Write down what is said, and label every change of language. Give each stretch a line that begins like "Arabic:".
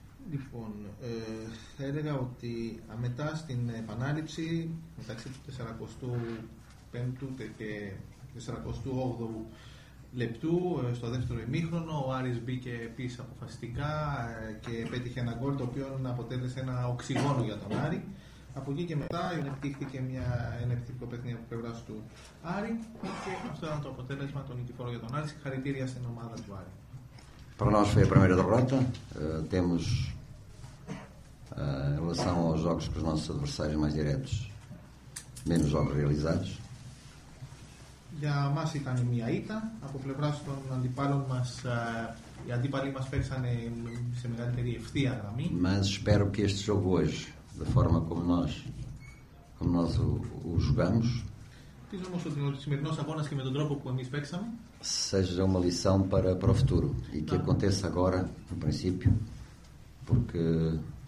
Greek: Λοιπόν, θα έλεγα ότι μετά στην επανάληψη μεταξύ του 45ου και 48ου λεπτού στο δεύτερο ημίχρονο ο Άρης μπήκε επίσης αποφασιστικά και πέτυχε ένα γκολ το οποίο αποτέλεσε ένα οξυγόνο για τον Άρη. Από εκεί και μετά ανεπτύχθηκε ένα επιθετικό παιχνίδι από πλευρά του Άρη και αυτό ήταν το αποτέλεσμα των νικηφόρων για τον Άρη. Συγχαρητήρια στην ομάδα του Άρη.
Portuguese: Para nós foi a primeira derrota. Temos, em relação aos jogos com os nossos adversários mais diretos, menos jogos realizados.
Greek: Για μας ήταν μια ήττα. Από πλευρά των αντιπάλων μας, οι αντίπαλοι μας παίξαν σε μεγαλύτερη ευθεία γραμμή.
Portuguese: Mas espero que este jogo hoje, da forma como nós o jogamos, seja uma lição para o futuro e que aconteça agora, no princípio, porque